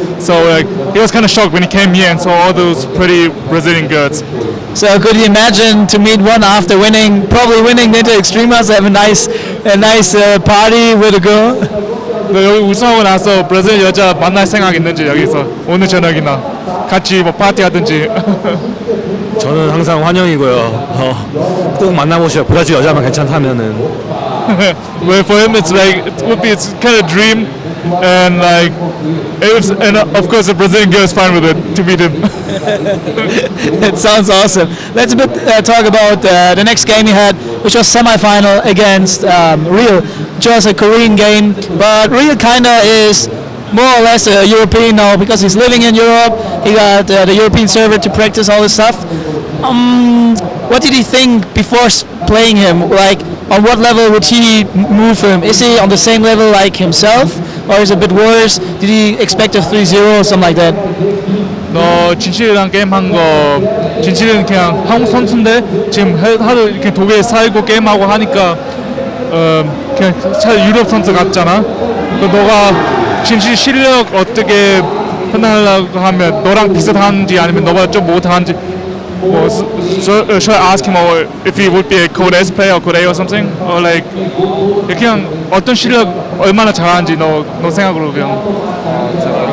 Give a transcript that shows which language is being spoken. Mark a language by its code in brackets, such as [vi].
[en] So like, he was kind of shocked when he came here and saw all those pretty Brazilian girls. So could you imagine to meet one after winning, probably winning the Inter Extremas, have a nice party with a girl? [ko] 네, 여기 우승하고 나서 브라질 여자 만날 생각 있는지 여기서 오늘 저녁이나 같이 뭐 파티 하든지. 저는 항상 환영이고요. 꼭 만나보세요. 브라질 여자만 괜찮다면은. [en] Well, for him it's like it would be it's kind of dream and like if, and of course the Brazilian girl is fine with it to meet him. It sounds awesome. Let's a bit talk about the next game you had, which was semi-final against Real, which was a Korean game. But Real kind of is more or less a European now because he's living in Europe. He got the European server to practice all this stuff. What did he think before playing him? Like, on what level would he move him? Is he on the same level like himself? Or is it a bit worse? Did he expect a 3-0 or something like that? [ko] 너 진실이랑 게임한 거 진실은 그냥 한국 선수인데 지금 하루 이렇게 독일에 살고 게임하고 하니까 그냥 잘 유럽 선수 같잖아. 너가 진실 실력 어떻게 판단하려고 하면 너랑 비슷한지 아니면 너보다 좀 못한지 뭐 [en] should I ask him or if he would be a code S player or code A or something or like [ko] 그냥 어떤 실력 얼마나 잘하는지 너 생각으로 그냥.